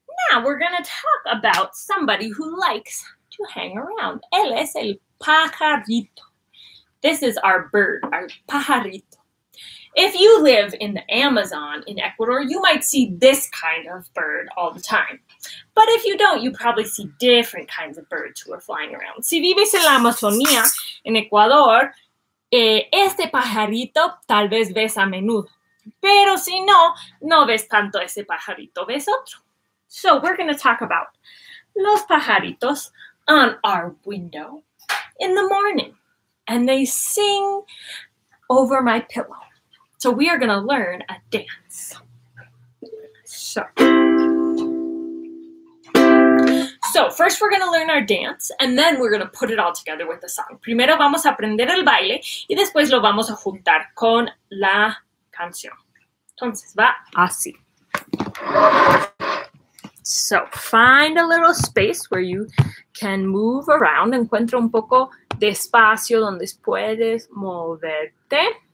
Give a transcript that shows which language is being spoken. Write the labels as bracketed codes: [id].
[en] Now we're going to talk about somebody who likes to hang around. [es] Él es el pajarito. [en] This is our bird, our pajarito. If you live in the Amazon in Ecuador, you might see this kind of bird all the time. But if you don't, you probably see different kinds of birds who are flying around. [es] Si vives en la Amazonía, en Ecuador, este pajarito tal vez ves a menudo. Pero si no, no ves tanto ese pajarito, ves otro. [en] So we're going to talk about los pajaritos on our window in the morning. And they sing over my pillow. So we are going to learn a dance. So first we're going to learn our dance, and then we're going to put it all together with the song. [es] Primero vamos a aprender el baile, y después lo vamos a juntar con la canción. Entonces va así. [en] So find a little space where you can move around. [es] Encuentra un poco de espacio donde puedes moverte.